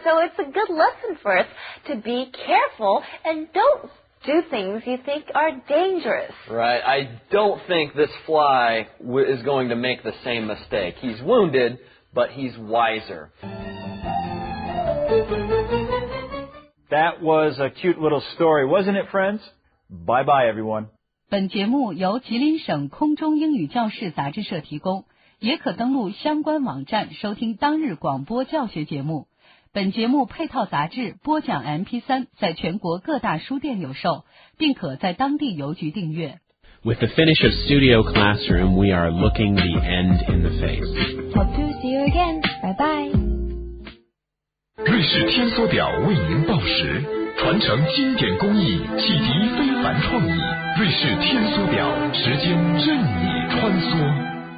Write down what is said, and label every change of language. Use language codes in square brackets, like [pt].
[en] So it's a good lesson for us to be careful and don't do things you think are dangerous. Right. I don't think this fly is going to make the same mistake. He's wounded, but he's wiser. That was a cute little story, wasn't it, friends? Bye-bye, everyone. [zh] 本节目由吉林省空中英语教室杂志社提供，也可登录相关网站收听当日广播教学节目。本节目配套杂志播讲 MP3 在全国各大书店有售，并可在当地邮局订阅。 [en] With the finish of Studio Classroom, we are looking the end in the face. Hope to see you again. Bye-bye. [zh] 瑞士天梭表为您报时，传承经典工艺，启迪非凡创意。瑞士天梭表，时间任你穿梭。